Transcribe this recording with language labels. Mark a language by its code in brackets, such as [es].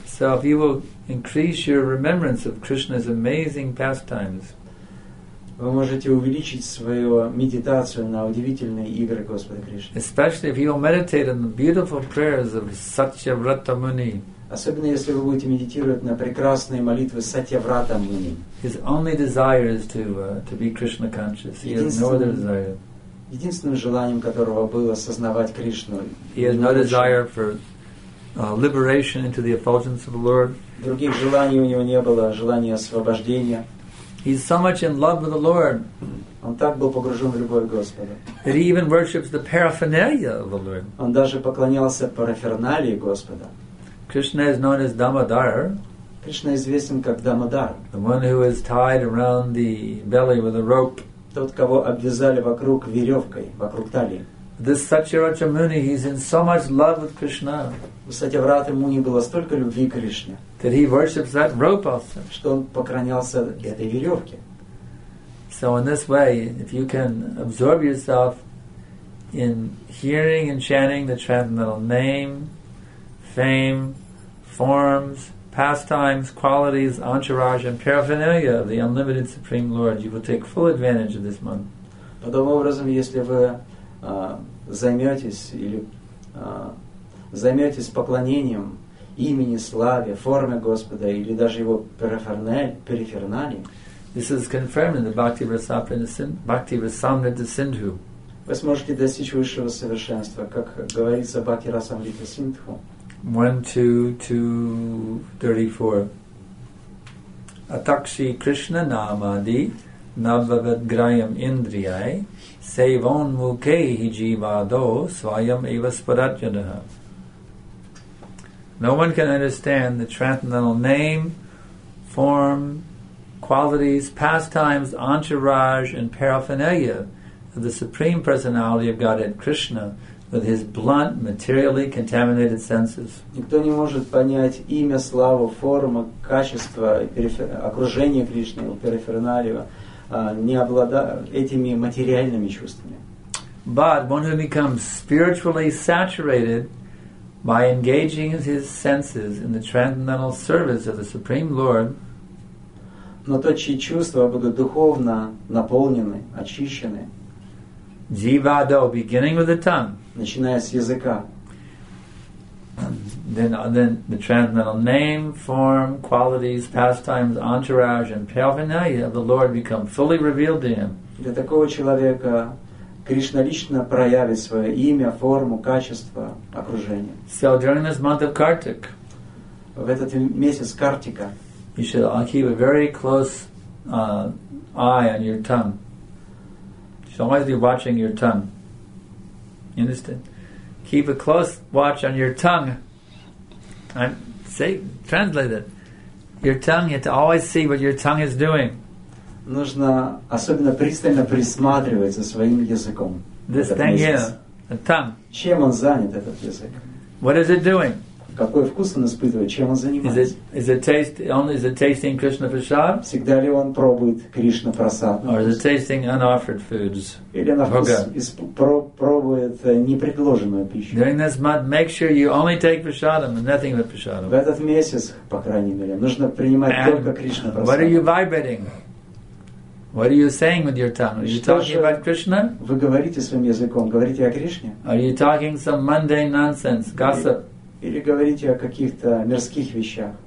[en] So if you will increase your remembrance of Krishna's amazing pastimes, [ru] вы можете увеличить свою медитацию на удивительные игры Господа Кришны. [en] Especially if you will meditate on the beautiful prayers of Satyavrata Muni. [ru] Особенно если вы будете медитировать на прекрасные молитвы Сатьяврата Муни. [en] His only desire is to be Krishna conscious. He has no other desire. [ru] Единственным желанием которого было сознавать Кришну. [en] He has no desire for liberation into the effulgence of the Lord. [ru] Других желаний у него не было, желания освобождения. [en] He's so much in love with the Lord. [ru] Он так был погружен в любовь Господа. [en] That he even worships the paraphernalia of the Lord. [ru] Он даже поклонялся параферналии Господа. [en] Krishna is known as Damodar. [ru] Кришна известен как Дамодар. [en] The one who is tied around the belly with a rope. [ru] Тот, кого обвязали вокруг веревкой, вокруг талии. [en] This Satyavrata Muni, he's in so much love with Krishna. [ru] У Сатьяврата Муни было столько любви к Кришне. [en] That he worships that rope also. [ru] Что он поклонялся этой веревке. [en] So in this way, if you can absorb yourself in hearing and chanting the transcendental name, fame, forms, pastimes, qualities, entourage, and paraphernalia of the unlimited Supreme Lord, you will take full advantage of this month. [ru] Подобным образом, если вы займетесь или займетесь поклонением имени, славе, форме Господа или даже его периферналии, [en] this is confirmed in the Bhakti-rasamrita Sindhu. [ru] Вы сможете достичь высшего совершенства, как говорится в Bhakti-rasamrita Sindhu. [sa] 1, 2, 2, 34. Atakshi Krishna Namadi nabhavat grayam indriyai, sevon mukehi jivado svayam eva sparatyanaha. [en] No one can understand the transcendental name, form, qualities, pastimes, entourage, and paraphernalia of the Supreme Personality of Godhead Krishna with his blunt, materially contaminated senses. [ru] Никто не может понять имя, славу, форму, качество, окружение Кришны, периферналию, не обладая этими материальными чувствами. [en] But one who becomes spiritually saturated by engaging his senses in the transcendental service of the Supreme Lord. [ru] Но тот, чьи чувства будут духовно наполнены, очищены. [en] Jivado, beginning with the tongue. [ru] Начиная с языка. [en] Then the transcendental name, form, qualities, pastimes, entourage, and paraphernalia of the Lord become fully revealed to him. [ru] Для такого человека Кришна лично проявит свое имя, форму, качество, окружение. [en] So during this month of Kartik, [ru] в этот месяц Картика, [en] you should keep a very close eye on your tongue. You should always be watching your tongue. You understand? Keep a close watch on your tongue. Translate it. Your tongue, you have to always see what your tongue is doing. [ru] Нужно особенно пристально присматривать за своим языком. [en] This thing here, the tongue. [ru] Чем он занят, этот язык? [en] What is it doing? [ru] Какой вкус он испытывает? Чем он занимается? [en] Is it tasting Krishna prasad? [ru] Всегда ли он пробует Кришна прасад? [en] Or is it tasting unoffered foods? [ru] Или на вкус пробует непредложенную пищу? [en] During this month, make sure you only take prasadam and nothing but prasadam. [ru] В этот месяц, по крайней мере, нужно принимать [en] and [ru] только Кришна прасад. [en] What are you vibrating? What are you saying with your tongue? Are you talking about Krishna? [ru] Вы говорите своим языком, говорите о Кришне? [en] Are you talking some mundane nonsense, gossip? [ru] Или говорите о каких-то мирских вещах.